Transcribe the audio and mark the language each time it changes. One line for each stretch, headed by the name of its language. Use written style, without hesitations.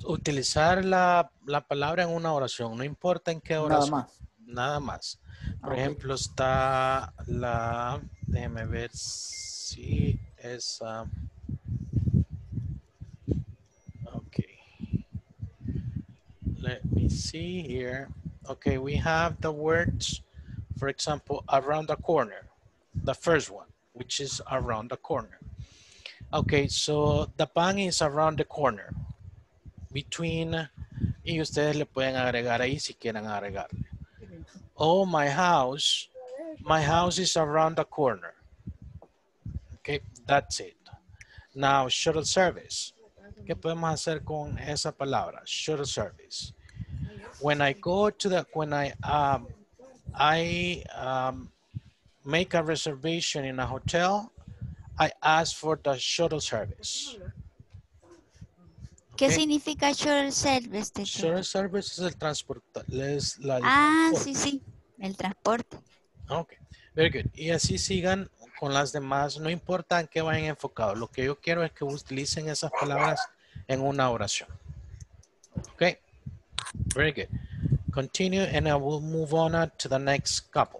Spanish: Utilizar la palabra en una oración, no importa en qué oración. Nada más. Nada más. Por ejemplo, está la, déjeme ver si es, okay.
English: Let me see here. Okay, we have the words, for example, around the corner. The first one, which is around the corner. Okay, so the pan is around the corner.
Spanish: Between, y ustedes le pueden agregar ahí si quieren agregarle.
English: Oh, my house is around the corner. Okay, that's it.
Spanish: Now, shuttle service. ¿Qué podemos hacer con esa palabra?
English: Shuttle service. When I go to the, when I make a reservation in a hotel, I ask for the shuttle service.
Spanish: ¿Qué okay. significa shuttle service? Teacher? Shuttle service es el transporte. Es la, ah, transporte. Sí, sí, el transporte.
English: Ok, very good.
Spanish: Y así sigan con las demás, no importa en qué vayan enfocados. Lo que yo quiero es que utilicen esas palabras en una oración.
English: Ok, very good. Continue and I will move on to the next couple.